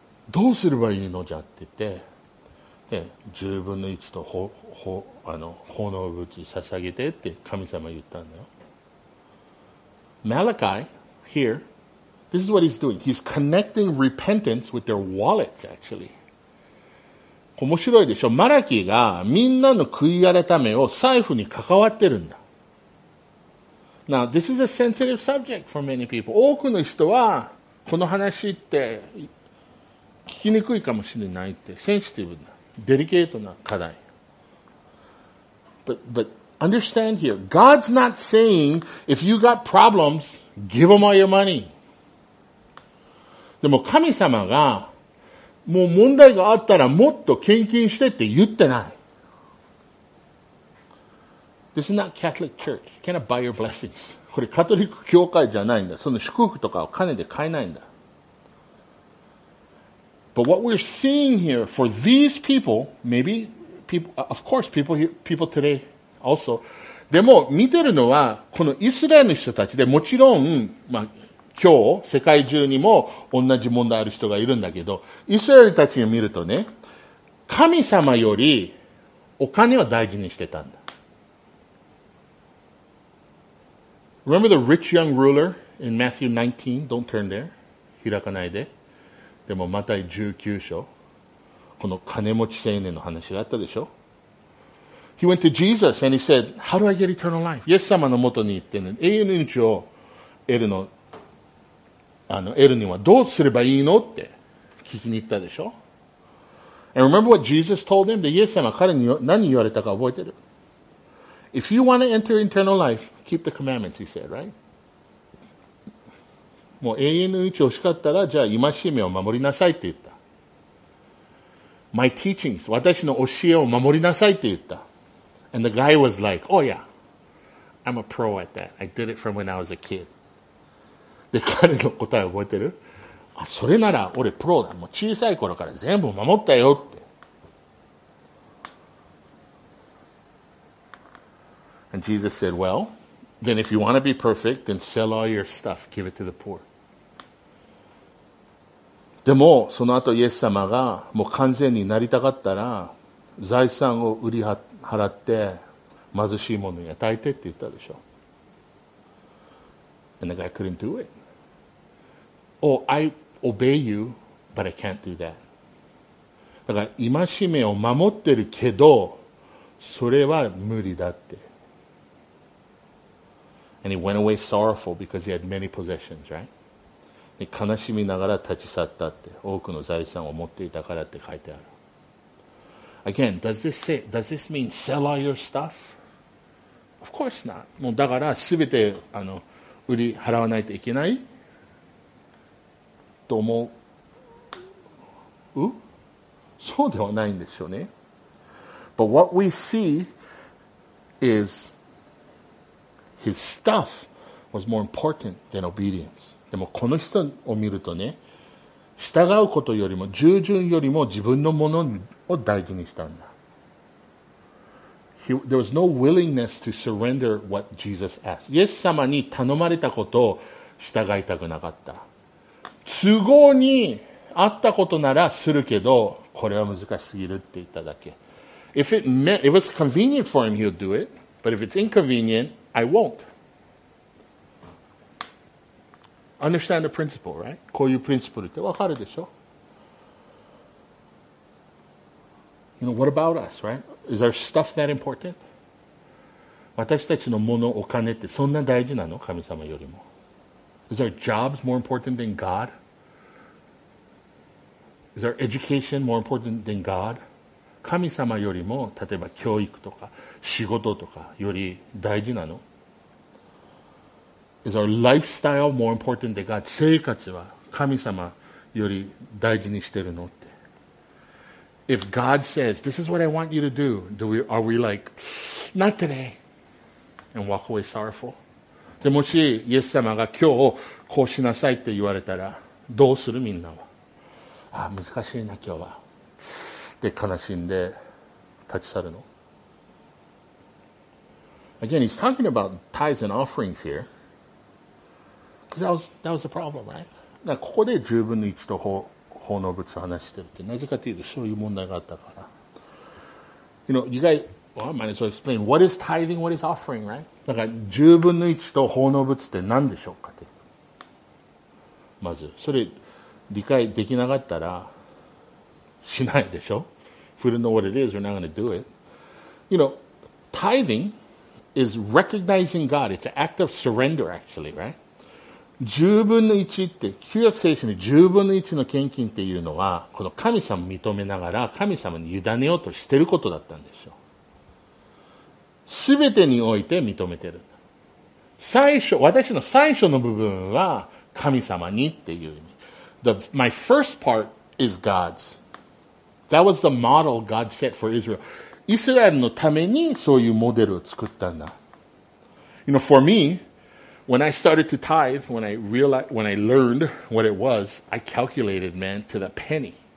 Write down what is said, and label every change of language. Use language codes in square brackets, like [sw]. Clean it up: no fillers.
[ja] どうすればいいのじゃって言って、で十分の一と奉納物捧げてって神様言ったんだよ。 [en] Malachi, here, this is what he's doing. He's connecting repentance with their wallets, actually. [ja] 面白いでしょ。マラキがみんなの悔い改めを財布に関わってるんだ。 [en] Now, this is a sensitive subject for many people. [ja] 多くの人はこの話って、聞きにくいかもしれないって、センシティブなデリケートな課題。 [en] But understand here, God's not saying if you got problems, give them all your money. [ja] でも神様がもう問題があったらもっと献金してって言ってない。 [en] This is not Catholic Church. You cannot buy your blessings. [ja] これカトリック教会じゃないんだ。その祝福とかを金で買えないんだ。 [en] But what we're seeing here for these people, maybe people, of course, people here, people today also. [ja] でも見てるのはこのイスラエルの人たちで、もちろん、まあ、今日世界中にも同じ問題ある人がいるんだけど、イスラエルたちを見るとね、神様よりお金を大事にしてたんだ。 [en] Remember the rich young ruler in Matthew 19? Don't turn there. [ja] 開かないで。でもマタイ19章、この金持ち青年の話があったでしょ。 [en] He went to Jesus and he said, How do I get eternal life? [ja] イエス様の元に行ってね、永遠の命を得るの、得るにはどうすればいいのって聞きに行ったでしょ。 [en] And remember what Jesus told him? [ja] でイエス様彼に何言われたか覚えてる。 [en] If you want to enter eternal life, keep the commandments, he said, right? [ja] もう永遠の命欲しかったら、じゃあ今しめを守りなさいって言った。 [en] My teachings, [ja] 私の教えを守りなさいって言った。 [en] And the guy was like, Oh yeah, I'm a pro at that. I did it from when I was a kid. [ja] で、彼の答え覚えてる？あ、それなら俺プロだ。もう小さい頃から全部守ったよって。 [en] And Jesus said, Well,Then if you want to be perfect, then sell all your stuff. Give it to the poor. [ja] でも、その後イエス様がもう完全になりたかったら、財産を売り払って、貧しいものに与えてって言ったでしょ。 [en] And the guy couldn't do it. Oh, I obey you, but I can't do that. [ja] だから戒めを守ってるけど、それは無理だって。 [en] And he went away sorrowful because he had many possessions, right? [ja] で悲しみながら立ち去ったって、多くの財産を持っていたからって書いてある。 [en] Again, does this mean sell all your stuff? Of course not. [ja] もうだから全て売り払わないといけないと思う。そうではないんでしょうね。 [en] But what we see is his stuff was more important than obedience. [ja] でもこの人を見るとね、従うことよりも従順よりも自分のものを大事にしたんだ。 [en] There was no willingness to surrender what Jesus asked. [ja] イエス様に頼まれたことを従いたくなかった。都合にあったことならするけど、これは難しすぎるって言っただけ。 [en] If it meant, it was convenient for him, he'll do it. But if it's inconvenient, I won't. Understand the principle, right? [ja] こういうプリンシプルってわかるでしょ? [en] You know, what about us, right? Is our stuff that important? [ja] 私たちのもの、お金ってそんな大事なの? 神様よりも。 [en] Is our jobs more important than God? Is our education more important than God? [ja] 神様よりも例えば教育とか仕事とかより大事なの? [en] Is our lifestyle more important than God? [ja] 生活は神様より大事にしてるのって。 [en] If God says, this is what I want you to do, are we like, not today, and walk away sorrowful? [ja] でもしイエス様が今日こうしなさいって言われたらどうするみんなは。ああ難しいな今日はで悲しんで立ち去るの [en] Again, he's talking about tithes and offerings here. Because that was a problem, right? [ja] だからここで10分の1と奉納物を話してるってなぜかというとそういう問題があったから [en] You know, you guys, well, I might as well explain what is tithing, what is offering, right? [ja] だから10分の1と奉納物って何でしょうかってまずそれ理解できなかったらしないでしょ? [en] If we don't know what it is, we're not going to do it. You know, tithing is recognizing God. It's an act of surrender, actually, right? [ja] 10分の1って、旧約聖書に10分の1の献金っていうのは、この神様を認めながら神様に委ねようとしてることだったんでしょ。すべてにおいて認めてる。私の最初の部分は神様にっていう意味。 [en] My first part is God's. That was the model God set for Israel. [ja] イスラエルのためにそういうモデルを作ったんだ。 [en] You know, for me, when I started to tithe, when I learned what it was, I calculated, man, to the penny.